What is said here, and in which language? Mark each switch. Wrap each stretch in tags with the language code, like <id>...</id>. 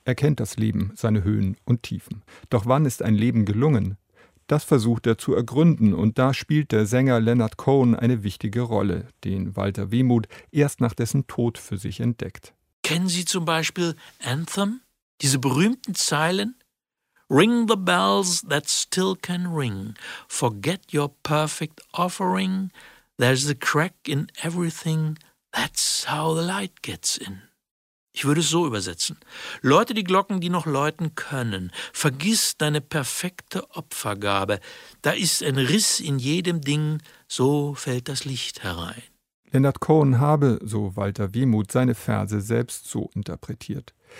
<de>Er kennt das Leben, seine Höhen und Tiefen. Doch wann ist ein Leben gelungen? Das versucht er zu ergründen und da spielt der Sänger Leonard Cohen eine wichtige Rolle, den Walter Wehmuth erst nach dessen Tod für sich entdeckt. Kennen Sie zum Beispiel Anthem? Diese berühmten Zeilen?</de> <en>Ring the bells that still can ring. Forget your perfect offering. There's a crack in everything, that's how the light gets in.</en> <de>Ich würde es so übersetzen. Läute die Glocken, die noch läuten können. Vergiss deine perfekte Opfergabe. Da ist ein Riss in jedem Ding, so fällt das Licht herein. Leonard Cohen habe, so Walter Wehmuth, seine Verse selbst so interpretiert.</de>